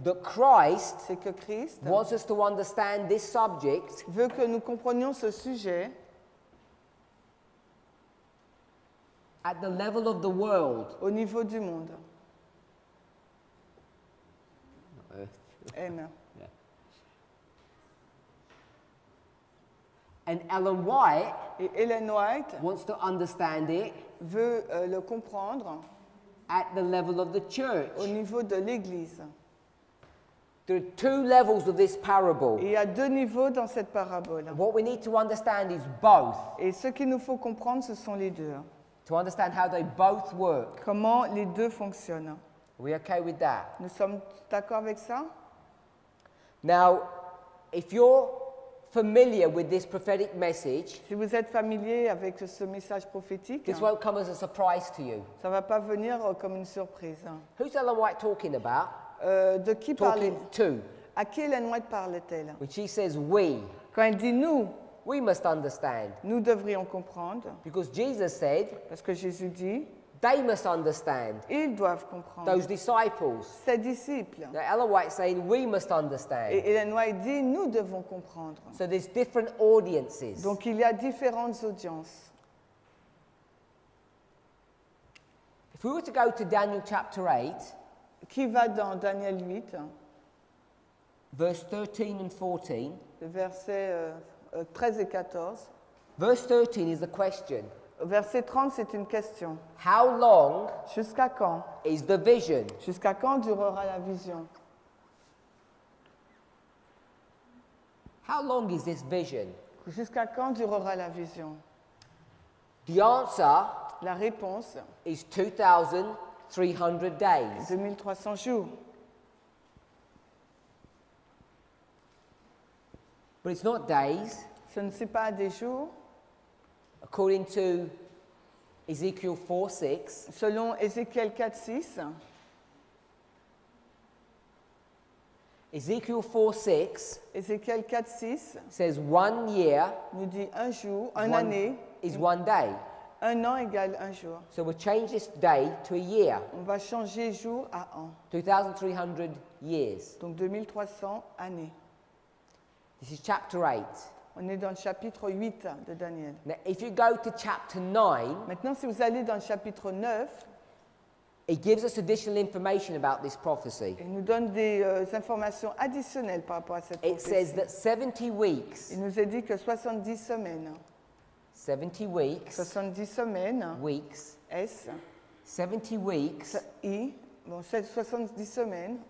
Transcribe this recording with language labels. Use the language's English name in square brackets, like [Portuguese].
[English] That Christ. [French] C'est que Christ. [English] Wants us to understand this subject. [French] Veut que nous comprenions ce sujet. [English] At the level of the world. [French] Au niveau du monde. [English] Amen. And Ellen White, [French] et Ellen White [English] wants to understand it [French] veut le comprendre [English] at the level of the church. [French] Au niveau de l'église. [English] There are two levels of this parable. [French] Il y a deux niveaux dans cette parabole. [English] What we need to understand is both. [French] Et ce qu'il nous faut comprendre, ce sont les deux. [English] To understand how they both work. [French] Comment les deux fonctionnent. [English] Are we okay with that? [French] Nous sommes d'accord avec ça? [English] Now, if you're familiar with this prophetic message, [French] si vous êtes familier avec ce message prophétique, [English] this won't come as a surprise to you. [French] Ça va pas venir comme une surprise. [English] Who's Ellen White talking about? [French] De qui à qui Ellen White parle-t-elle? [English] When she says we, [French] quand elle dit nous, [English] we must understand. [French] Nous devrions comprendre. [English] Because Jesus said, [French] parce que Jésus dit, [English] they must understand. [French] Ils doivent comprendre. [English] Those disciples, [French] ces disciples. [English] Now Ellen White saying we must understand. [French] Et Ellen White dit nous devons comprendre. [English] So there's different audiences. [French] Donc il y a différentes audiences. [English] If we were to go to Daniel chapter 8, [French] qui va dans Daniel 8, [English] verse 13 and 14. [French] Versets 13 et 14. [English] Verse 13 is a question. [French] Verset 30, c'est une question. [English] How long? [French] Jusqu'à quand? [English] Is the vision? [French] Jusqu'à quand durera la vision? [English] How long is this vision? [French] Jusqu'à quand durera la vision? [English] The answer. [French] La réponse. [English] Is 2000. 300 days. [French] 2300 jours. [English] But it's not days. [French] Ce ne sont pas des jours. [English] According to Ezekiel 4:6. [French] Selon Ézéchiel 4:6. [English] Ezekiel 4:6. [French] Ézéchiel 4:6. [English] Says 1 year. [French] Nous dit un jour, une année. [English] Is 1 day. [French] Un an égale un jour. [English] So we'll change this day to a year. [French] On va changer jour à an. [English] 2300 years. [French] Donc 2300 années. [English] This is chapter 8. [French] On est dans le chapitre 8 de Daniel. [English] Now if you go to chapter 9. [French] Maintenant si vous allez dans le chapitre 9. [English] It gives us additional information about this prophecy. [French] Il nous donne des informations additionnelles par rapport à cette prophétie. [English] It says that 70 weeks. [French] Il nous a dit que 70 semaines. [English] 70 weeks. [French] 70 semaines. [English] Weeks. S. 70 weeks. [French] I. Bon, 70 semaines.